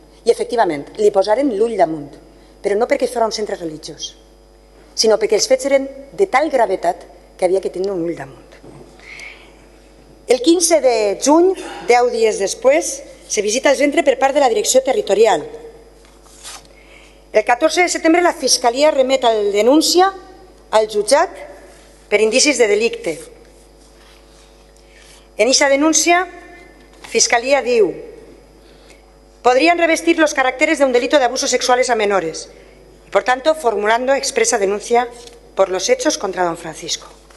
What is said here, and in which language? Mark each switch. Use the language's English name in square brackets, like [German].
[Spanish] Y efectivamente, [Catalan] li posaren l'ull damunt, [Spanish] pero no porque fuera un centro religioso, sino porque [Catalan] els fets eren de tal gravetat [Spanish] que había que tener un ull damunt. El 15 de juny, 10 días después, se visita el centro por parte de la Dirección Territorial. [Catalan] El 14 de setembre la Fiscalía remet la denuncia al jutjat per indicis de delicte. [Spanish] En esa denuncia, Fiscalía diu, podrían revestir los caracteres de un delito de abusos sexuales a menores, y por tanto, formulando expresa denuncia por los hechos contra don Francisco.